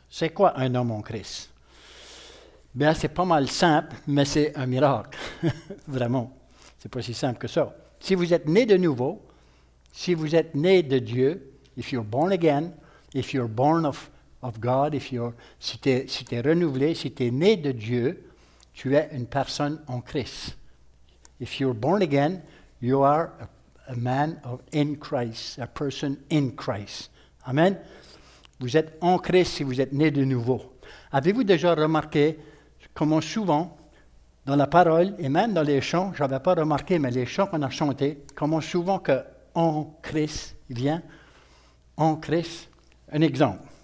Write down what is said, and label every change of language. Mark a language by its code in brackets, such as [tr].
[fr] C'est quoi un homme en Christ? Bien, c'est pas mal simple, mais c'est un miracle. Vraiment. C'est pas si simple que ça. Si vous êtes né de nouveau, si vous êtes né de Dieu, [en] if you're born again, if you're born of God, if you're, [fr] si t'es renouvelé, si t'es né de Dieu, tu es une personne en Christ. [en] If you're born again, you are a man of in Christ, a person in Christ. [fr] Amen. Vous êtes en Christ si vous êtes né de nouveau. Avez-vous déjà remarqué comment souvent dans la parole et même dans les chants, je n'avais pas remarqué, mais les chants qu'on a chantés, comment souvent que « en Christ » vient, « en Christ ». Un exemple.